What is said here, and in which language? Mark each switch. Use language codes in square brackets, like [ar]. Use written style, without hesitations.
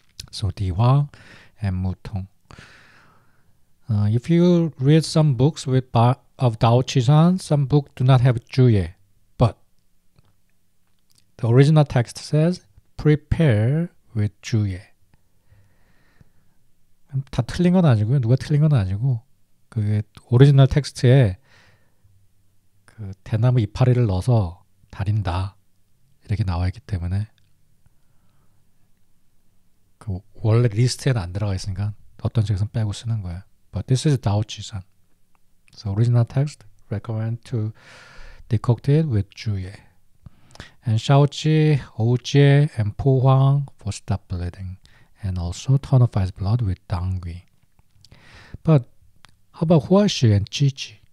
[en] So Di Huang and Mu Tong. If you read some books of Tao Chi San, some books do not have Zhu Ye. But the original text says, prepare with Zhu Ye. [ko] 다 틀린 건 아니고요. 누가 틀린 건 아니고. 그게 오리지널 텍스트에 그 대나무 이파리를 넣어서 다린다 이렇게 나와 있기 때문에 그 원래 리스트에는 안 들어가 있으니까 어떤 책에서는 빼고 쓰는 거야. [en] But this is Dao Chi San. So original text recommend to decoct it with Zhu Ye. And Xiao Ji, Ou Jie, and Po Huang for stop bleeding. And also tonifies blood with Dang Gui. But how about Hua Shi and Qi Qi?